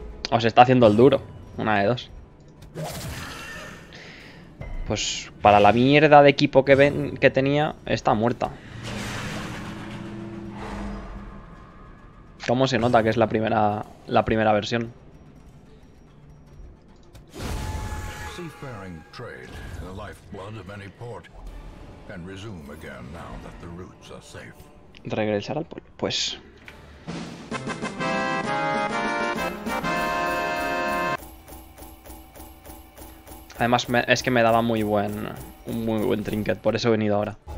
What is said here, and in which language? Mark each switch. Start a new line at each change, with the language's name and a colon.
Spanish: O se está haciendo el duro. Una de dos. Pues para la mierda de equipo que tenía, está muerta. ¿Cómo se nota que es la primera versión?
English: Seafaring trade, the lifeblood of any port, can resume again now that the routes are safe.
Spanish: Regresar al pueblo, pues. Además, es que me daba muy buen, un muy buen trinket, por eso he venido ahora.